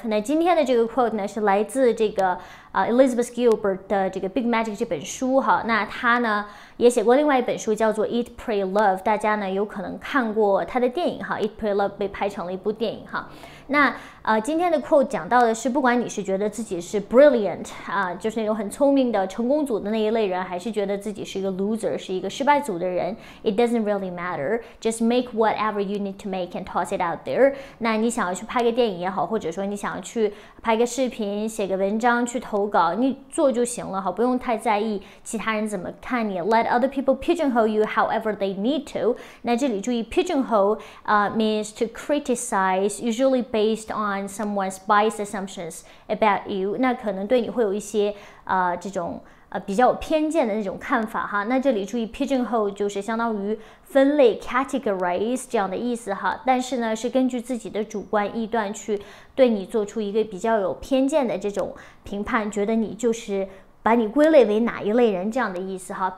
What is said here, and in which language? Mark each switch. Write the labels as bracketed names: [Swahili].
[Chinese] 那今天的这个 quote 呢，是来自这个Elizabeth Gilbert 的这个 Big Magic 这本书哈，那他呢也写过另外一本书叫做 Eat, Pray, Love， 大家呢有可能看过他的电影哈， Eat, Pray, Love 被拍成了一部电影哈。那今天的 quote 讲到的是，不管你是觉得自己是 brilliant 啊，就是那种很聪明的成功组的那一类人，还是觉得自己是一个 loser， 是一个失败组的人， [English] It doesn't really matter. Just make whatever you need to make and toss it out there. [Chinese] 那你想要去拍个电影也好，或者说你想要去拍个视频、写个文章、去投稿，你做就行了，好，不用太在意其他人怎么看你。 [English] Let other people pigeonhole you however they need to. [Chinese] 那这里注意 [English] pigeonhole means to criticize, usually based on someone's biased assumptions about you. [Chinese] 那可能对你会有一些这种比较有偏见的那种看法哈。那这里注意 pigeonhole 就是相当于分类 categorize 这样的意思哈。但是呢是根据自己的主观臆断去对你做出一个比较有偏见的这种评判，觉得你就是把你归类为哪一类人这样的意思哈。